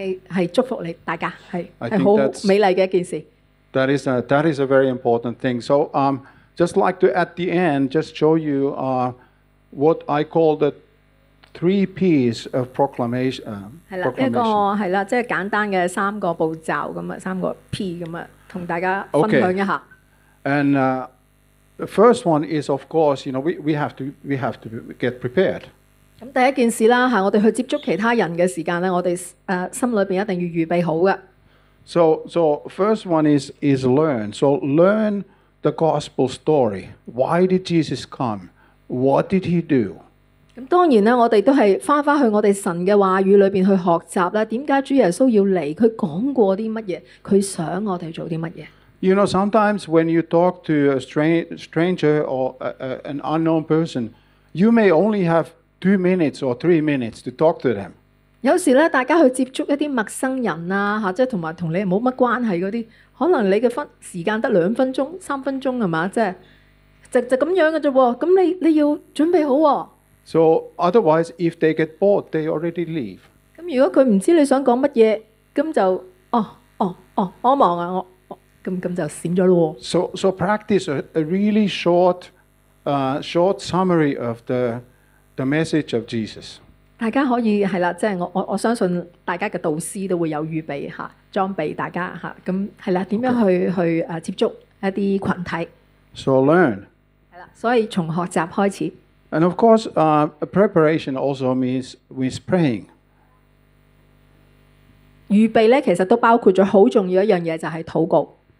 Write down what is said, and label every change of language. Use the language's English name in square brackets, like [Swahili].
[Cantonese] 係祝福你大家，係好美麗嘅一件事。 [English] That is a very important thing. So just like to at the end just show you what I call the three P's of proclamation. [Cantonese] 係啦，一個係啦，即係簡單嘅三個步驟咁啊，三個 P 咁啊，同大家分享一下。 [English] And the first one is, of course, you know, we have to get prepared. [Cantonese] 咁第一件事啦，我哋去接觸其他人嘅時間咧，我哋心裏邊一定要預備好嘅。 [English] So first one is learn. So learn the gospel story. Why did Jesus come? What did he do? [Cantonese] 咁當然咧，我哋都係翻去我哋神嘅話語裏邊去學習啦。點解主耶穌要嚟？佢講過啲乜嘢？佢想我哋做啲乜嘢？ [English] You know, sometimes when you talk to a stranger or an unknown person, you may only have 2 minutes or 3 minutes to talk to them. [Cantonese] 有時咧，大家去接觸一啲陌生人啊，嚇，即係同埋同你冇乜關係嗰啲，可能你嘅時間得兩分鐘、三分鐘係嘛？就咁樣嘅啫喎。咁你要準備好喎。 [English] So otherwise, if they get bored, they already leave. [Cantonese] 咁如果佢唔知你想講乜嘢，咁就我忙啊，我咁就閃咗咯喎。 [English] So practice a really short, short summary of the message of Jesus. [Cantonese] 大家可以係啦，即係我相信大家嘅導師都會有預備嚇，裝備大家嚇。咁係啦，點樣去、okay. 去接觸一啲群體 [English] ？So learn. [Cantonese] 係啦，所以從學習開始。 [English] And of course, preparation also means with praying. [Cantonese] 預備咧，其實都包括咗好重要一樣嘢，就係禱告。